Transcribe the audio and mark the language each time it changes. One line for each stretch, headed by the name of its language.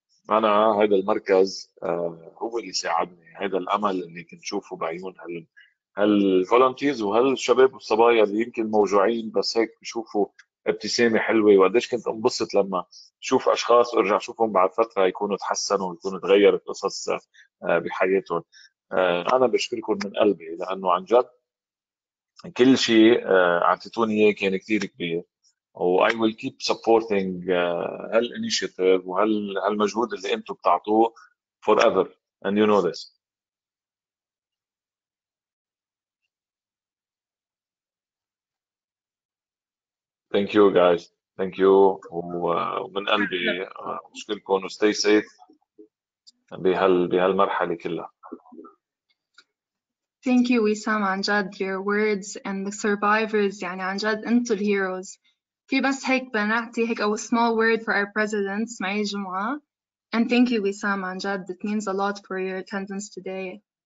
Arabic: أنا هذا المركز هو اللي ساعدني، هذا الأمل اللي كنت شوفه بعيون هالفولنتيرز وهالشباب والصبايا اللي يمكن موجوعين بس هيك بشوفوا ابتسامة حلوة، وقديش كنت انبسط لما شوف أشخاص وارجع شوفهم بعد فترة يكونوا تحسنوا ويكونوا تغيرت قصص بحياتهم. أنا بشكركم من قلبي لأنه عن جد كل شيء أعطيتوني إياه كان كتير كبير.
English: I will keep supporting
Arabic: هالinitiative وهالمجهود اللي انتم بتعطوه
English: forever and you know this. Thank you guys. Thank you.
Arabic: ومن قلبي اشكركم وستي سيف بهالمرحلة كلها.
English: Thank you Wissam
Arabic: عن جد
English: your words and the survivors
Arabic: يعني عن جد انتم الهيروز. في بس هيك بنعطي هيك
English: a small word for our president سمعي جمعة. And thank you Wissam
Arabic: عن جد
English: it means a lot for your attendance today.